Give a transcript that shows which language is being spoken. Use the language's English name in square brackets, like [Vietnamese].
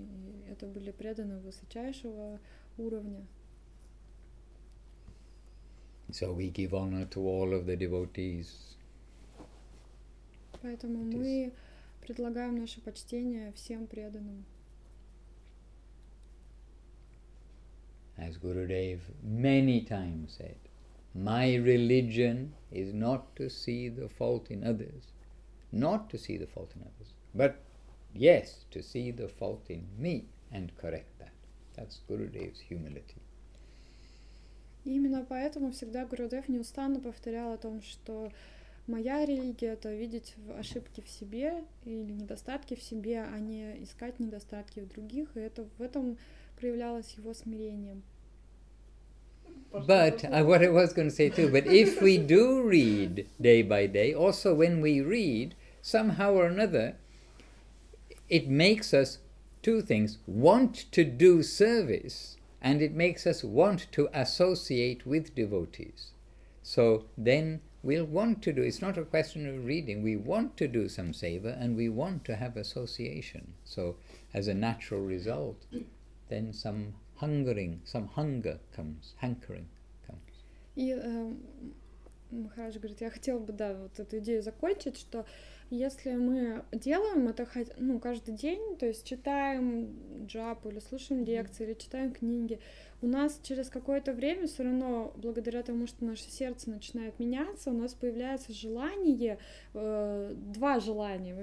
[Russian] И это были преданные высочайшего уровня. [English] So we give honor to all of the devotees. [Russian] Поэтому мы предлагаем наше почтение всем преданным. [English] As Gurudev many times said, my religion is not to see the fault in others, not to see the fault in others, but yes, to see the fault in me and correct that. That's Gurudev's humility. [Russian] Именно поэтому всегда Гурудев неустанно повторял о том, что моя религия — это видеть ошибки в себе или недостатки в себе, а не искать недостатки в других, и это в этом проявлялось его смирением. [English] But what I was going to say too, but if we do read day by day, also when we read, somehow or another, it makes us two things, want to do service, and it makes us want to associate with devotees. So then we'll want to do, it's not a question of reading, we want to do some seva and we want to have association. So as a natural result, then some hungering, some hunger comes, hankering comes. [Russian] И Махарадж говорит, я хотел бы, да, вот эту идею закончить, что если мы делаем это ну, каждый день, то есть читаем джапу или слушаем лекции, или читаем книги, у нас через какое-то время все равно, благодаря тому, что наше сердце начинает меняться, у нас появляется желание, два желания.